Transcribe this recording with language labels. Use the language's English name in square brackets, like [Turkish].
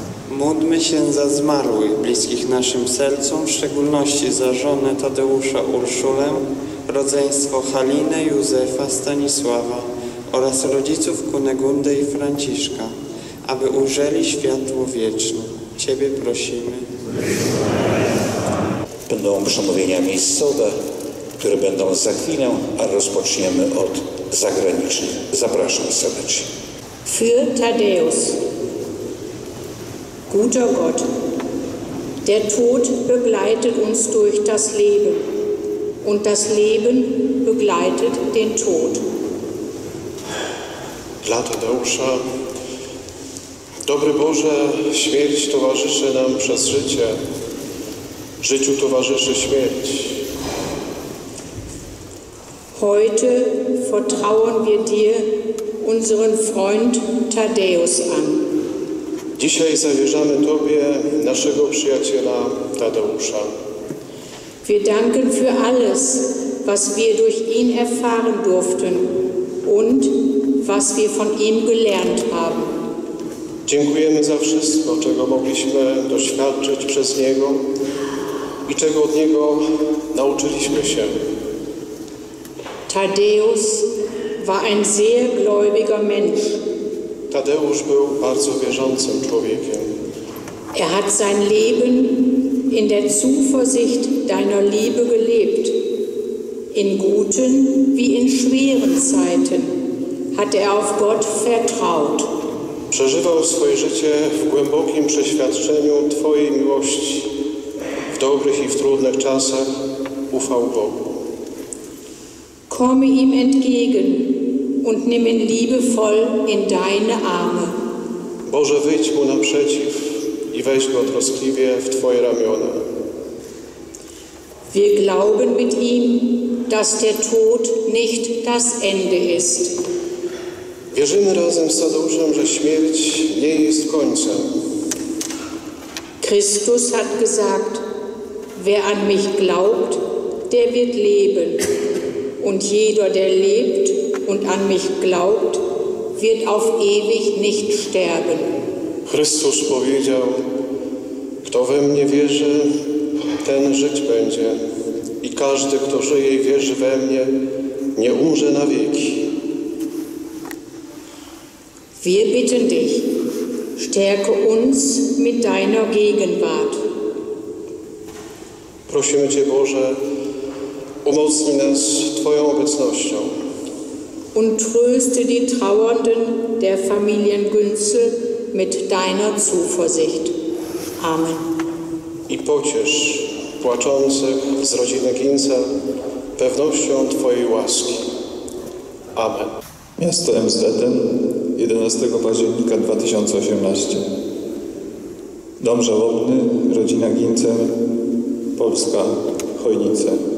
[Polish] Módlmy się za zmarłych, bliskich naszym sercom, w szczególności za żonę Tadeusza Urszulę, rodzeństwo Halinę, Józefa, Stanisława oraz rodziców Kunegundy i Franciszka, aby ujrzeli światło wieczne. Ciebie prosimy. Będą przemówienia miejscowe, które będą za chwilę, a rozpoczniemy od zagranicznych. Zapraszam serdecznie. [German] Für Thaddäus. Guter Gott, der Tod begleitet uns durch das Leben und das Leben begleitet den Tod. [Polish] Dla Tadeusza, dobry Boże, śmierć towarzyszy nam przez życie. Życiu towarzyszy śmierć. [German] Heute vertrauen wir dir, unseren Freund Thaddäus, an. [Polish] Dzisiaj zawierzamy Tobie naszego przyjaciela Tadeusza. [German] Wir danken für alles, was wir durch ihn erfahren durften und was wir von ihm gelernt haben. [Polish] Dziękujemy za wszystko, czego mogliśmy doświadczyć przez niego i czego od niego nauczyliśmy się. [German] Tadeusz war ein sehr gläubiger Mensch. [Polish] Tadeusz był bardzo wierzącym człowiekiem. [German] Er hat sein Leben in der Zuversicht deiner Liebe gelebt. In guten wie in schweren Zeiten hat er auf Gott vertraut. [Polish] Przeżywał swoje życie w głębokim przeświadczeniu Twojej miłości. W dobrych i w trudnych czasach ufał Bogu. [German] Komm ihm entgegen und nimm ihn liebevoll in deine Arme. [Polish] Boże, wyjdź mu naprzeciw i weź go troskliwie w Twoje ramiona. [German] Wir glauben mit ihm, dass der Tod nicht das Ende ist. [Polish] Wierzymy razem z Tadeuszem, że śmierć nie jest końcem. [German] Christus hat gesagt, wer an mich glaubt, der wird leben. Und jeder, der lebt und an mich glaubt, wird auf ewig nicht sterben. [Polish] Chrystus powiedział, kto we mnie wierzy, ten żyć będzie. I każdy, kto żyje i wierzy we mnie, nie umrze na wieki. [German] Wir bitten dich, stärke uns mit deiner Gegenwart. [Polish] Prosimy Cię, Boże, umocnij nas Twoją obecnością. [German] Und tröste die Trauernden der Familien Günzel mit deiner Zuversicht. Amen. [Polish] I pociesz płaczących z rodziny Ginza pewnością Twojej łaski. Amen. Miasto Emsleten, 11 października 2018. Dom żałobny, rodzina Ginze, Polska, Chojnice.